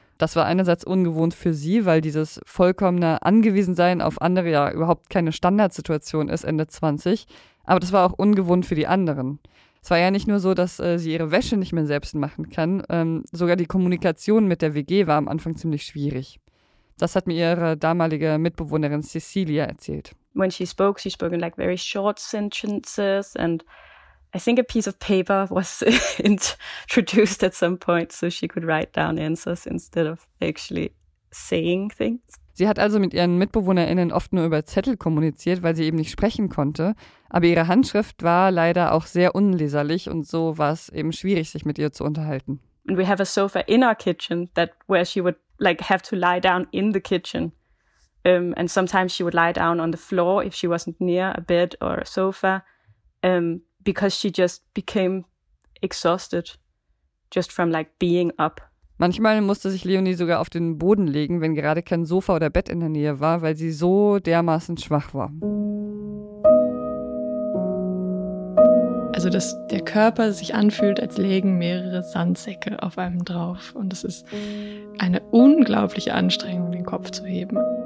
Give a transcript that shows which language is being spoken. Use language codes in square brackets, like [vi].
[de] Das war einerseits ungewohnt für sie, weil dieses vollkommene Angewiesensein auf andere ja überhaupt keine Standardsituation ist Ende 20. Aber das war auch ungewohnt für die anderen. Es war ja nicht nur so, dass sie ihre Wäsche nicht mehr selbst machen kann. Sogar die Kommunikation mit der WG war am Anfang ziemlich schwierig. Das hat mir ihre damalige Mitbewohnerin Cecilia erzählt. [en] When she spoke in like very short sentences and I think a piece of paper was introduced at some point, so she could write down answers instead of actually saying things. [de] Sie hat also mit ihren MitbewohnerInnen oft nur über Zettel kommuniziert, weil sie eben nicht sprechen konnte. Aber ihre Handschrift war leider auch sehr unleserlich und so war es eben schwierig, sich mit ihr zu unterhalten. [en] And we have a sofa in our kitchen that where she would like have to lie down in the kitchen. And sometimes she would lie down on the floor if she wasn't near a bed or a sofa. Because she just became exhausted just from like being up. [de] Manchmal musste sich Leonie sogar auf den Boden legen, wenn gerade kein Sofa oder Bett in der Nähe war, weil sie so dermaßen schwach war. Also, dass der Körper sich anfühlt, als lägen mehrere Sandsäcke auf einem drauf. Und es ist eine unglaubliche Anstrengung, den Kopf zu heben.